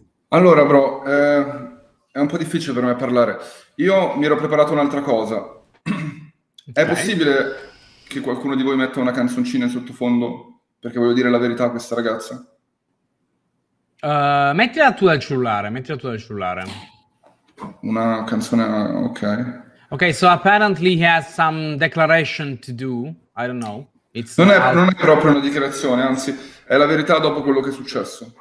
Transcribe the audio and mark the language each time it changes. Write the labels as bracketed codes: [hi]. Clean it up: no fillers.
[it] Allora, bro, è un po' difficile per me parlare. Io mi ero preparato un'altra cosa. È possibile che qualcuno di voi metta una canzoncina in sottofondo? Perché voglio dire la verità a questa ragazza. Mettila tu dal cellulare, mettila tu dal cellulare. Una canzone, ok. [en] Ok, so apparently he has some declaration to do, I don't know. [it] Non è proprio una dichiarazione, anzi, è la verità dopo quello che è successo.